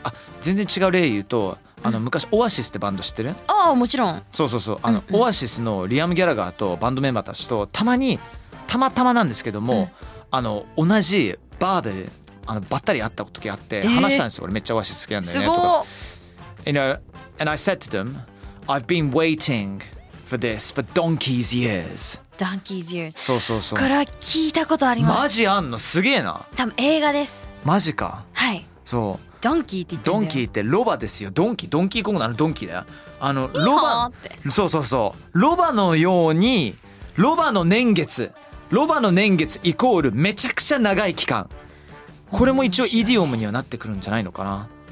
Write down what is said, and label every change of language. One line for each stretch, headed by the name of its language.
Japanese: あ、全然違う例言うと、昔オアシスってバンド知ってる？ああ、もちろん。そうそうそう、オアシスのリアム・ギャラガーとバンドメンバーたちとたまにたまたまなんですけども、うん、あの同じバーであのばったり会った時あって話したんですよ、俺めっちゃお菓子好きなんだよねとか。
English: You know, and I said to them, I've been waiting for this for donkey's years.
Japanese: ダンキーズユー、そうそうそう、これは聞いたことあります。マジあんの、すげえな。多分映画です。マジか。はい、そう、ドンキーって言ってんだよ。ドンキーってロバですよ。ドンキー、ドンキーコングのドンキーだよ。あのロバって、そうそうそう、ロバのように、ロバの年月、ロバの年月イコールめちゃくちゃ長い期間、これも一応イディオムにはなってくるんじゃないのかな。